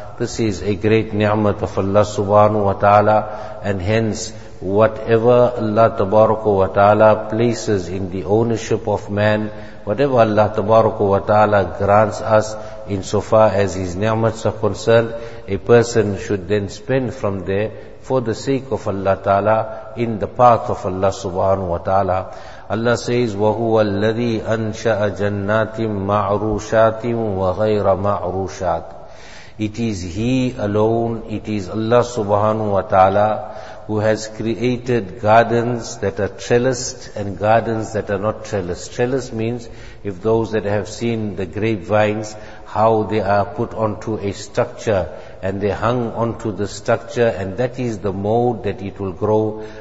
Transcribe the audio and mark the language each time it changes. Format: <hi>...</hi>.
<en>This is a great ni'mat of Allah subhanahu wa ta'ala, and hence whatever Allah tabaraka wa ta'ala places in the ownership of man, whatever Allah tabaraka wa ta'ala grants us insofar as his ni'mats are concerned, a person should then spend from there for the sake of Allah ta'ala in the path of Allah subhanahu wa ta'ala.</en> <ar>Allah says, وَهُوَ الَّذِي أَنْشَأَ جَنَّاتٍ مَعْرُوشَاتٍ وَغَيْرَ مَعْرُوشَاتٍ.</ar> <en>It is He alone, it is Allah subhanahu wa ta'ala who has created gardens that are trellised and gardens that are not trellised. Trellised means, if those that have seen the grapevines, how they are put onto a structure and they hung onto the structure, and that is the mode that it will grow.</en>